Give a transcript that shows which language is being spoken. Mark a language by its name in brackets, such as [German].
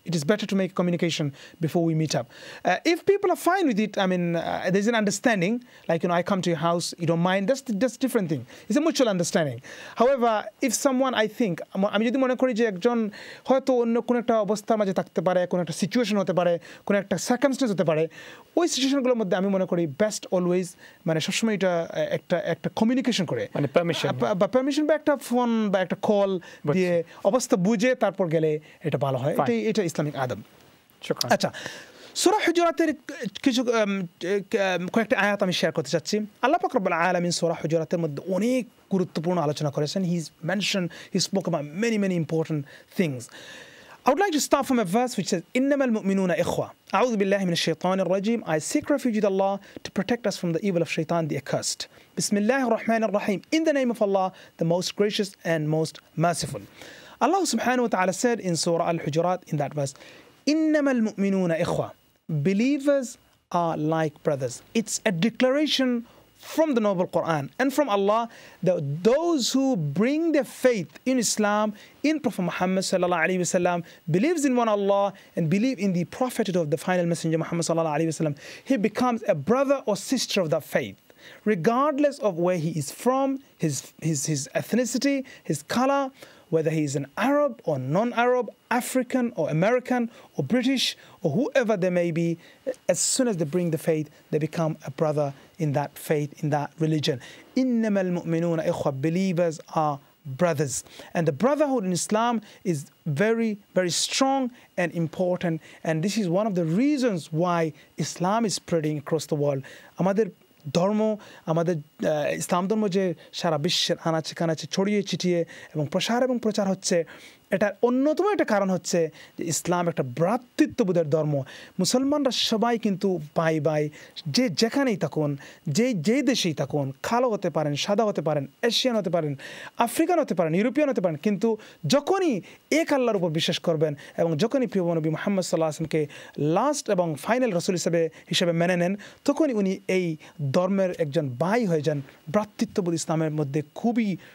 [English] It is better to make a communication before we meet up. If people are fine with it, I mean, there's an understanding. Like, you know, I come to your house, you don't mind. That's a different thing. It's a mutual understanding. However, if someone, I think, I'm just going to encourage you, John, how to connect our boss, [Bangla] tamaje takte pare, [English] connect a situation, [Bangla] hote pare, [English] connect a circumstance, hote pare. [Bangla] ওই সিচুয়েশনগুলোর মধ্যে আমি মনে করি [English] best always [Bangla] মানে সবসময় এটা একটা একটা কমিউনিকেশন করে মানে পারমিশন বা একটা ফোন বা একটা কল দিয়ে অবস্থা বুঝে তারপর গেলে এটা ভালো হয় এটাই এটা ইসলামিক আদব আচ্ছা সূরা হুজুরাতের কিছু কয়েকটা আয়াত আমি শেয়ার করতে চাচ্ছি আল্লাহ পাক রব্বুল আলামিন সূরা হুজুরাতের মধ্যে অনেক গুরুত্বপূর্ণ আলোচনা করেছেন [English] he is mention he spoke about many many important things I would like to start from a verse which says, [Arabic] إِنَّمَا الْمُؤْمِنُونَ إِخْوَةَ أَعُوذُ بِاللَّهِ مِنَ الشَّيْطَانِ الرَّجِيمِ [English] I seek refuge with Allah to protect us from the evil of Shaitan, the accursed. [Arabic] بِسْمِ اللَّهِ الرَّحْمَنِ الرَّحِيمِ [English] In the name of Allah, the most gracious and most merciful. Allah subhanahu wa ta'ala said in Surah Al-Hujurat in that verse, [Arabic] إِنَّمَا الْمُؤْمِنُونَ إِخْوَةَ [English] Believers are like brothers. It's a declaration from the noble Quran and from Allah that those who bring their faith in Islam in Prophet Muhammad sallallahu alaihi wasallam believes in one Allah and believe in the prophethood of the final messenger Muhammad sallallahu alaihi wasallam he becomes a brother or sister of that faith regardless of where he is from his ethnicity his color whether he is an Arab or non-Arab African or American or British or whoever they may be as soon as they bring the faith they become a brother in that faith, in that religion. [Arabic] إِنَّمَا الْمُؤْمِنُونَ إِخْوَةَ [English] Believers are brothers. And the brotherhood in Islam is very, very strong and important. And this is one of the reasons why Islam is spreading across the world. [Bangla] আমাদের ধর্ম, আমাদের ইসলাম ধর্ম যে সারা বিশ্বের আনাচে কানাচে ছড়িয়ে ছিটিয়ে এবং প্রসার এবং প্রচার হচ্ছে এটার অন্যতম একটা কারণ হচ্ছে যে ইসলাম একটা ভ্রাতৃত্ববোধের ধর্ম মুসলমানরা সবাই কিন্তু ভাই ভাই যে যেখানেই থাকুন যেই দেশেই থাকুন কালো হতে পারেন সাদা হতে পারেন এশিয়ান হতে পারেন আফ্রিকান হতে পারেন ইউরোপিয়ান হতে পারেন কিন্তু যখনই এক আল্লাহর উপর বিশ্বাস করবেন এবং যখনই প্রিয় নবী মুহাম্মদ সাল্লাল্লাহু আলাইহি ওয়াসাল্লামকে লাস্ট এবং ফাইনাল রসুল হিসেবে মেনে নেন তখনই উনি এই ধর্মের একজন ভাই হয়ে যান ভ্রাতৃত্ববোধ ইসলামের মধ্যে খুবই